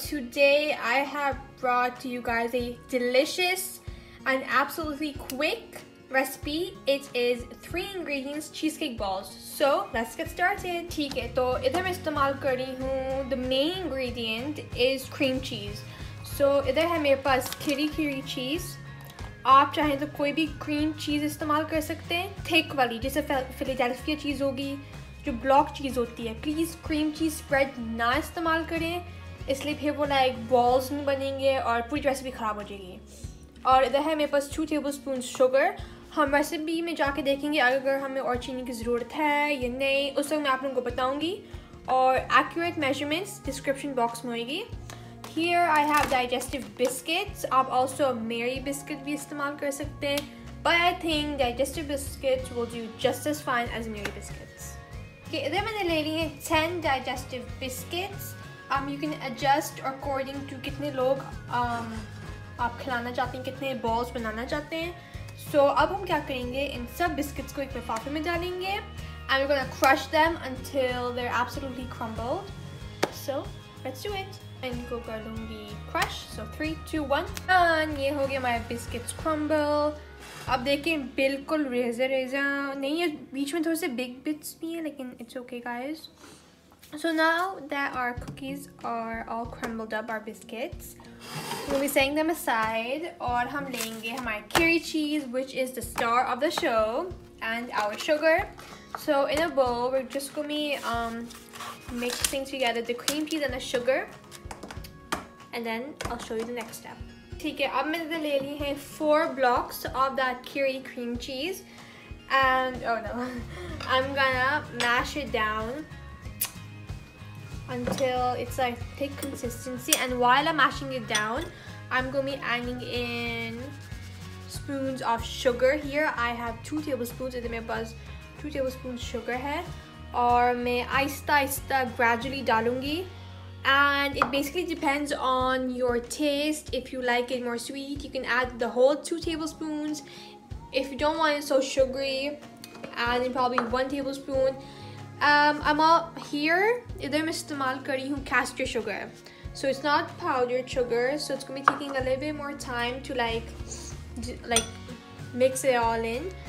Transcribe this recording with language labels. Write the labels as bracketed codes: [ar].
[en] Today I have brought to you guys a delicious and absolutely quick recipe. It is three ingredients cheesecake balls. So let's get started. [hi] Theek hai, toh idhar main istemal kar rahi hu. [en] The main ingredient is cream cheese. [hi] So idhar hai mere paas Kiri Kiri cheese. आप चाहें तो कोई भी cream cheese इस्तेमाल कर सकते हैं, thick वाली जैसे फिलाडेल्फिया चीज़ होगी, जो ब्लॉक चीज़ होती है. प्लीज़ क्रीम चीज़ स्प्रेड ना इस्तेमाल करें, इसलिए फिर वो लाइक बॉल्स नहीं बनेंगे और पूरी रेसिपी ख़राब हो जाएगी. और इधर है मेरे पास 2 टेबलस्पून शुगर. हम रेसिपी में जाके देखेंगे अगर हमें और चीनी की ज़रूरत है या नहीं, उस वक्त मैं आप लोगों को बताऊँगी. और एक्यूरेट मेजरमेंट्स डिस्क्रिप्शन बॉक्स में होगी. [en] Here I have digestive biscuits. [hi] आप also Mary biscuit भी इस्तेमाल कर सकते हैं, [en] but I think digestive biscuits will do just as fine as Mary biscuits. [hi] Okay, इधर मैंने ले ली हैं 10 digestive biscuits. [en] You can adjust according to [hi] कितने लोग आप खिलाना चाहते हैं, कितने balls बनाना चाहते हैं. So अब हम क्या करेंगे, इन सब biscuits को एक लिफाफे में डालेंगे [en] and we're gonna crush them until they're absolutely crumbled. So let's do it. [hi] इनको कर दूंगी क्रश. सो 3, 2, 1 डन. ये हो गया हमारे बिस्किट्स क्रम्बल. अब देखें बिल्कुल रेजा रेजा नहीं है, बीच में थोड़े से बिग बिट्स भी हैं, लेकिन [en] It's okay guys. So now that our cookies are all crumbled up, our biscuits will be setting them aside. [hi] और हम लेंगे हमारे [en] Kiri cheese which is the star of the show and our sugar. So in a bowl we just gonna mix things together, the cream cheese and the sugar. And then I'll show you the next step. [hi] ठीक है, अब मैंने ले ली है [en] 4 blocks of that Kiri cream cheese. And oh no, I'm gonna mash it down until it's like thick consistency. And while I'm mashing it down, I'm gonna be adding in spoons of sugar here. I have 2 tablespoons, [hi] इधर मेरे पास 2 tablespoons sugar है. और मैं Aahista Aahista gradually डालूंगी. [en] And it basically depends on your taste. If you like it more sweet, you can add the whole 2 tablespoons. If you don't want it so sugary, add in probably 1 tablespoon. I'm all here. [hi] इधर मैं इस्तेमाल कर रही हूँ castor sugar. [en] So it's not powdered sugar. So it's gonna be taking a little bit more time to like mix it all in.